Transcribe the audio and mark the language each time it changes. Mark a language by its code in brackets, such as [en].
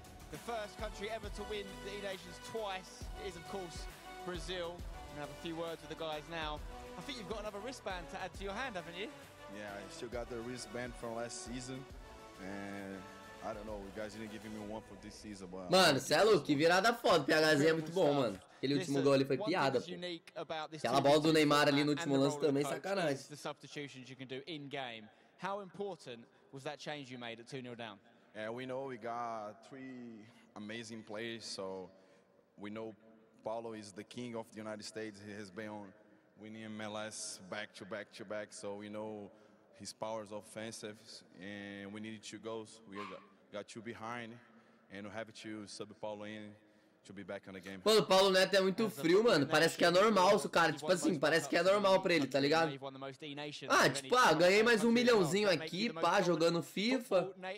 [en] The first country ever to win the Enations twice is, of course, Brazil. I'm gonna have a few words with the guys now. I think you've got another wristband to add to your hand, haven't you? Yeah, I still got the wristband from last season, and I don't know, you guys didn't give me one for this season, but. [pt] Mano, cê é louco, que virada foda. PHZIN é muito bom, mano. Aquele último gol ali foi piada, pô. Aquela bola do Neymar ali no último lance também, sacanagem. [en] The substitutions you can do in game. How important was that change you made at 2-0 down? Yeah, we know we got 3 amazing players, so we know Paulo is the king of the United States. He has been on winning MLS back to back to back, so we know his powers offensive, and we needed 2 goals. We got 2 behind, and we have to sub Paulo in to be back on the game. [pt] Mano, o Paulo Neto é muito frio, mano. Parece que é normal se o cara, tipo assim, parece que é normal pra ele, tá ligado? Ah, tipo, ah, ganhei mais 1 milhãozinho aqui, pá, jogando FIFA.